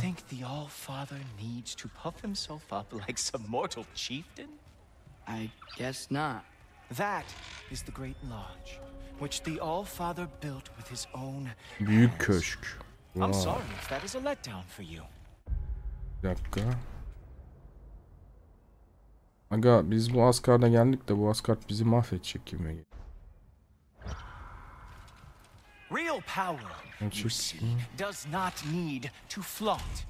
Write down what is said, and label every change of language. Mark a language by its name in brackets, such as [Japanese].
[English] Think the Allfather needs to puff himself up like some mortal chieftain? I guess not. That is the great lodge which the Allfather built with his own hands. [Turkish] Büyük köşk. [English] Wow. I'm sorry if that is a letdown for you. [Turkish] Bir dakika. Aga biz bu Asgard'a geldik de bu Asgard bizi mahvedecek gibi. [English] Real power, you see, does not need to flaunt.